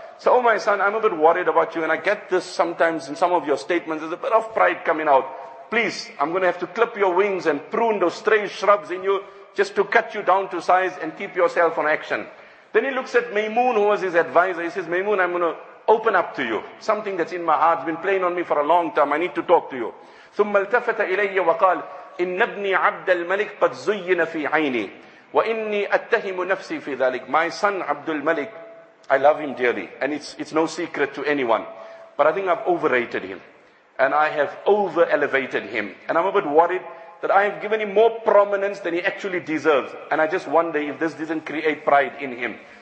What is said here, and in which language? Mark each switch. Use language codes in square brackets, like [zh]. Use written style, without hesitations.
[en] So, oh my son, I'm a bit worried about you, and I get this sometimes in some of your statements, there's a bit of pride coming out. Please, I'm going to have to clip your wings and prune those stray shrubs in you just to cut you down to size and keep yourself on action. Then he looks at Maymoon, who was his advisor. He says, Maymoon, I'm going to open up to you. Something that's in my heart has been playing on me for a long time. I need to talk to you. [ar] ثم التفت إلي وقال إن ابني عبد الملك قد زين في عيني وإني أتهم نفسي في ذلك. [en] My son عبد الملك, I love him dearly, and it's no secret to anyone, but I think I've overrated him and I have over elevated him, and I'm a bit worried that I have given him more prominence than he actually deserves, and I just wonder if this didn't create pride in him.